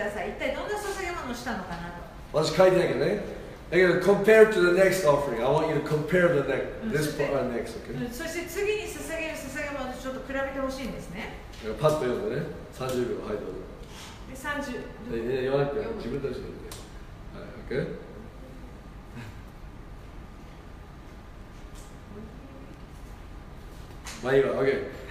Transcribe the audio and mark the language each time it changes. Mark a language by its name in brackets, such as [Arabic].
[Japanese] 27節と28節ちょっと見てください。一体どんな捧げ物をしたのかなと。私書いてないけどね。だけど、 [English] compare to the next offering. I want you to compare the next, this part and next, okay? [Japanese] そして次に捧げる捧げ物をちょっと比べてほしいんですね。パッと読んでね。 30 秒、はい、どうぞ。30。言わなくて、自分たちで読んで。はい、OK? まあいいわ、OK。